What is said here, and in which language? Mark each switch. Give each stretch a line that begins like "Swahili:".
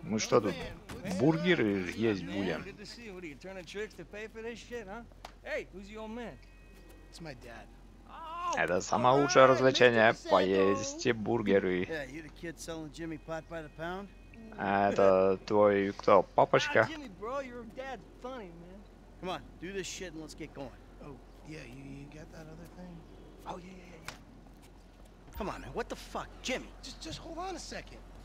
Russian: мы что тут, бургеры есть будем?
English: What are you turning tricks to pay for this shit, huh? Hey, who's the old man? It's my dad.
Russian: Это самое лучшее развлечение, поесть бургеры.
English: Yeah, you the kid selling Jimmy pot by the pound?
Russian: А это твой кто, папочка?
English: Jimmy, bro, your dad's funny, man. Come on, do this shit and let's get going. Oh, yeah, you got that other thing? Oh, yeah. Come on, man, what the fuck? Jimmy, just hold on a second.